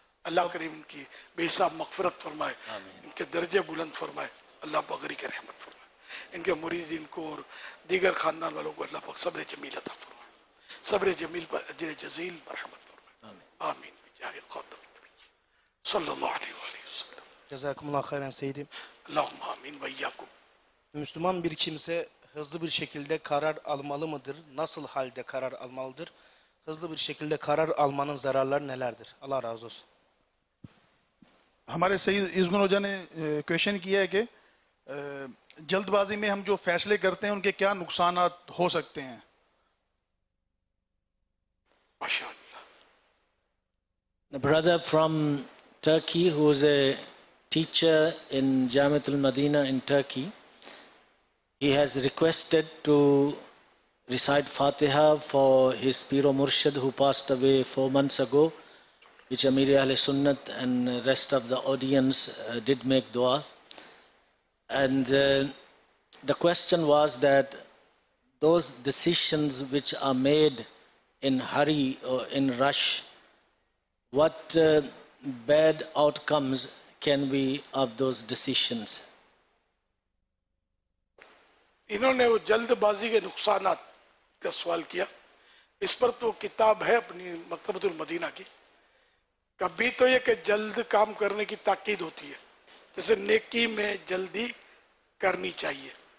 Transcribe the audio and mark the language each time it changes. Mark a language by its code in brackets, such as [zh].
[ur] اللہ کریم ان کی بے حساب مغفرت فرمائے، ان کے درجے بلند فرمائے، اللہ بغری کرے رحمت فرمائے، ان کے مریدین کو اور دیگر خاندان والوں کو اللہ پاک صبر جمیل عطا فرمائے، صبر جمیل اجر جزیل رحمت فرمائے، آمین۔ صلی اللہ علیہ وسلم۔ [ar] جزاکم اللہ خیرا سیدی۔ اللہم آمین و ایاکم۔ [tr] مسلمان bir kimse hızlı bir şekilde karar almalı mıdır? Nasıl halde karar almalıdır? Hızlı bir şekilde karar almanın zararları nelerdir? Allah razı olsun۔ [ur] ہمارے سید ازگن ہوجا نے کوشن کیا ہے کہ جلد بازی میں ہم جو فیصلے کرتے ہیں ان کے کیا نقصانات ہو سکتے ہیں؟ [ar] ماشاءاللہ۔ [en] The brother from Turkey, who is a teacher in Jamiatul Madina in Turkey, he has requested to recite Fatiha for his Piro Murshid who passed away 4 months ago, which Amiri Ahle Sunnat and the rest of the audience did make dua. And the question was that those decisions which are made in hurry or in rush, what bad outcomes can be of those decisions? [ur] انہوں نے وہ جلد بازی کے نقصانات کا سوال کیا، اس پر تو کتاب ہے اپنی مکتبۃ المدینہ کی۔ کبھی تو یہ کہ جلد کام کرنے کی تاکید ہوتی ہے، جیسے نیکی میں جلدی کرنی چاہیے،